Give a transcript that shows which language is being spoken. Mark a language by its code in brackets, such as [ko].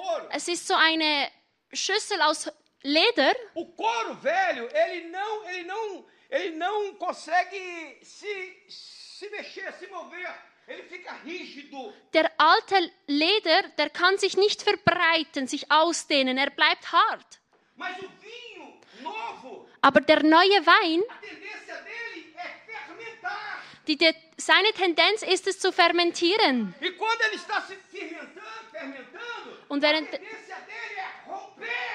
[de] Es ist so eine Schüssel aus Leder. [pt] O couro velho, ele não consegue se mexer, se mover. Ele fica rígido. [de] Der alte Leder, der kann sich nicht verbreiten, sich ausdehnen. Er bleibt hart. [pt] Mas o vinho novo, [de] aber der neue Wein, [pt] a tendência dele é fermentar. [de] Seine Tendenz ist es zu fermentieren. [pt] E quando ele está se fermentando, a tendência dele é romper.